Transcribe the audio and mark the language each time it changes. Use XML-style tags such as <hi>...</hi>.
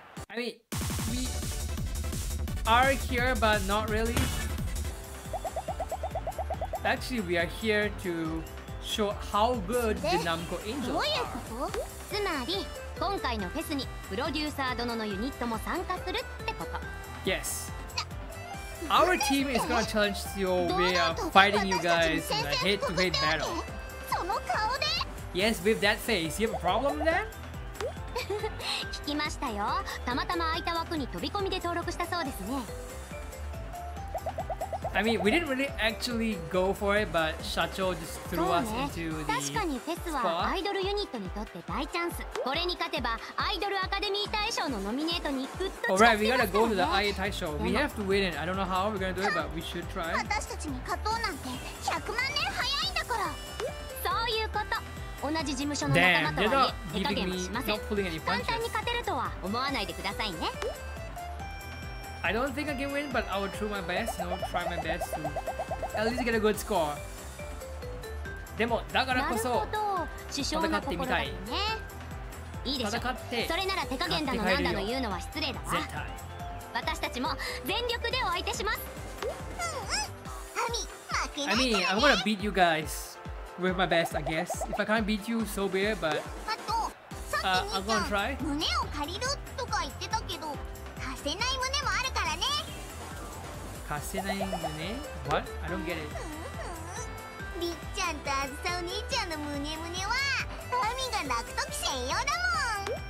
<en>I mean, we are here, but not really. Actually, we are here to show how good the Namco Angels are.</en> <ja>つまり、今回のフェスにプロデューサー殿のユニットも参加するってこと。</ja> <en>Yes. Our team is gonna challenge you. We are fighting you guys in a head-to-head battle.</en> <ja>その顔で?</ja> <en>Yes, with that face. You have a problem with that?</en> <ja>聞きましたよ。たまたま空いた枠に飛び込みで登録したそうですね。</ja> <en>I mean, we didn't really actually go for it, but Shacho just threw us into the spot.</en> <ja>確かにフェスはアイドルユニットにとって大チャンス。これに勝てばアイドルアカデミー大賞のノミネートにぐっと近づけますよね。</ja> <en>Alright, we gotta go to the IA 大賞. We have to win it. I don't know how we're gonna do it, but we should try.</en> <ja>私たちに勝とうなんて100万年早いんだから。そういうこと。同じ事務所の仲間とはいえ、手加減もしません。簡単に勝てるとは思わないでくださいね。</ja> <en>I don't think I can win, but I will try my best, you know, try my best to at least get a good score.</en> <ja>でも、だからこそ、戦ってみたい。なるほど、師匠の心だね。いいでしょ。それなら手加減だのなんだの言うのは失礼だわ。絶対。私たちも全力でお相手します。うんうん。アミ、負けないからね。</ja> <en>I mean, I'm gonna beat you guys with my best, I guess. If I can't beat you, so be it, but...</en> <ja>あと、さっき兄ちゃん、胸を借りるとか言ってたけど、貸せない胸もあるからね。貸せない胸？</ja> <en>What? I don't get it.</en> <ja>りっちゃんとあずさお兄ちゃんの胸胸は、アミが泣くとき専用だもん。</ja>